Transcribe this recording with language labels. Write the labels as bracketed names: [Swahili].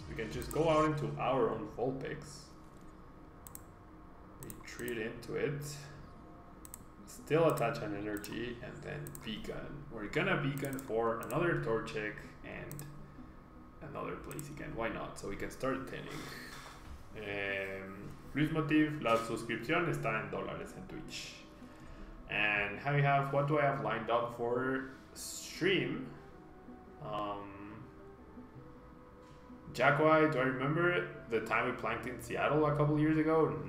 [English] We can just go out into our own Vulpix. Retreat into it, still attach an energy, and then beacon. We're gonna beacon for another Torchic and another Blaziken. Why not? So we can start thinning. [Spanish] Luis Motif, la suscripción está en dólares en Twitch. [English] And how we have, what do I have lined up for stream? Jackwai, do I remember the time we planked in Seattle a couple years ago?